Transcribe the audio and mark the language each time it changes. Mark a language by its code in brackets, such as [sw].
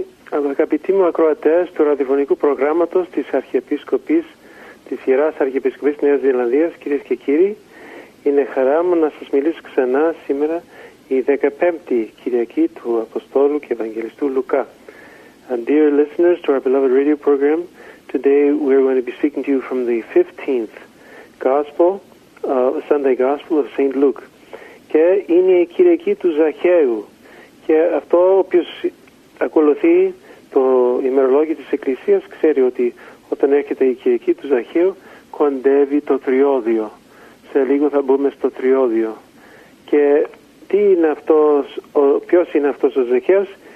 [el] Αγαπητοί μου ακροατές του ραδιοφωνικού προγράμματος της Αρχιεπίσκοπης, της Ιεράς Αρχιεπισκοπής Νέας Ζηλανδίας, κυρίες και κύριοι, είναι χαρά μου να σας μιλήσω ξανά σήμερα η 15η Κυριακή του Αποστόλου και Ευαγγελιστού Λουκά. [en] And dear listeners to our beloved radio program, today we're going to be speaking to you from the 15th Gospel, Sunday Gospel of St. Luke. [el] Και είναι η Κυριακή του Ζαχαίου. Και αυτό όποιος ακολουθεί το ημερολόγιο της Εκκλησίας ξέρει ότι όταν έρχεται η Κυριακή του Ζαχαίου κοντεύει το Τριώδιο. Σε λίγο θα μπούμε στο Τριώδιο. Και τι είναι αυτός, ποιος είναι αυτός ο Ζαχαίος?